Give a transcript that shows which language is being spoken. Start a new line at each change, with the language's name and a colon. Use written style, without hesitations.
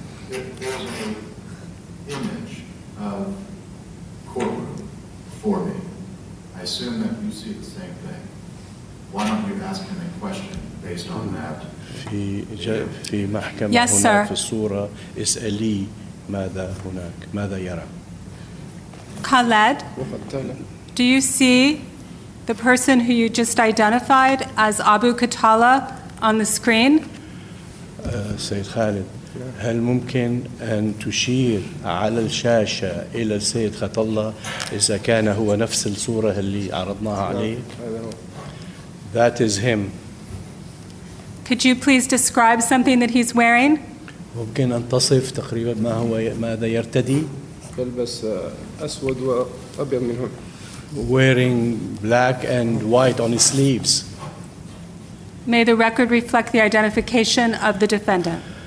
English: There's an image of courtroom for me. I assume that you see the same thing. Why don't you ask him a question based on that?
Arabic: في محكمة yes, هنا sir. في الصورة اسألي ماذا هناك ماذا يرى
English: Khaled do you see the person who you just identified as Abu Katala on the screen
Arabic: سيد خالد هل ممكن أن تشير على الشاشة إلى السيد خطلة إذا كان هو نفس الصورة اللي عرضناها عليه
English: that is him Could you please describe something that he's wearing?
Arabic: ممكن أن تصف تقريبا ما هو ماذا يرتدي؟ يلبس أسود وأبيض من هنا.
English: Wearing black and white on his sleeves. May the record reflect the identification of the defendant.